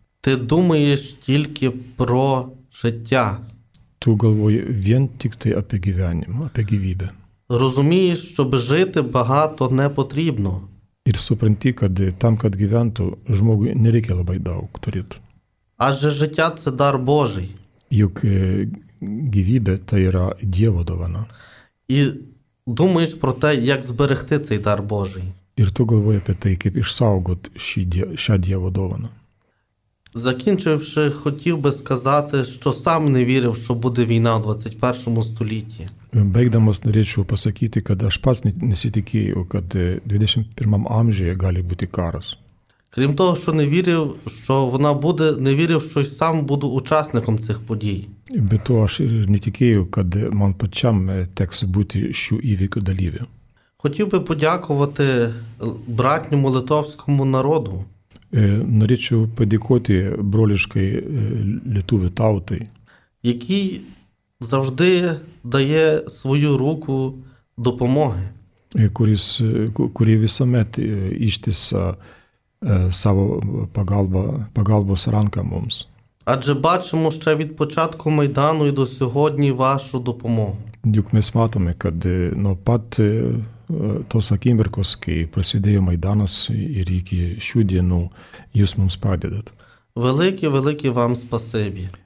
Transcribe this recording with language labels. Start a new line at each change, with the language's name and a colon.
Ukrainian: Ти думаєш тільки про життя.
Lithuanian: Tu galvoji vien tik tai apie gyvenimą, apie gyvybę.
Ukrainian: Розумієш, щоб жити багато не потрібно.
Lithuanian: Ir supranti, kad tam, kad gyventų, žmogui nereikia labai daug turėti.
Ukrainian: Адже життя – це дар Божий.
Lithuanian: Juk gyvybė – tai yra Dievo dovana.
Ukrainian: І думаєш про те, як зберегти цей дар Божий.
Lithuanian: Ir tu galvoji apie tai, kaip išsaugoti šią Dievo dovaną.
Ukrainian: Закінчивши, хотів би сказати, що сам не вірив, що буде війна в 21 столітті.
Lithuanian: Baigdamas norėčiau pasakyti, kad aš pats nesitikėjau, kad 21 amžiuje gali būti karas.
Ukrainian: Крім того, що не вірив, що вона буде, не вірив, що й сам буду учасником цих подій.
Lithuanian: Be to, aš ir netikėjau, kad man pačiam teks būti šių įvykių dalyviu.
Ukrainian: Хотів би подякувати братньому литовському народу.
Lithuanian: Norėčiau padėkoti broliškai lietuvių tautai,
Ukrainian: які завжди дає свою руку допомоги.
Lithuanian: Kuris, kurie visuomet ištisa savo pagalbos ranką mums.
Ukrainian: Адже бачимо ще від початку Майдану і до сьогодні вашу допомогу.
Lithuanian: Juk mes matome, kad nuo pat tos akimirkos, kai prasidėjo Maidanas ir iki šių dienų jūs mums padedat.
Ukrainian: Великі, великі вам спасибі.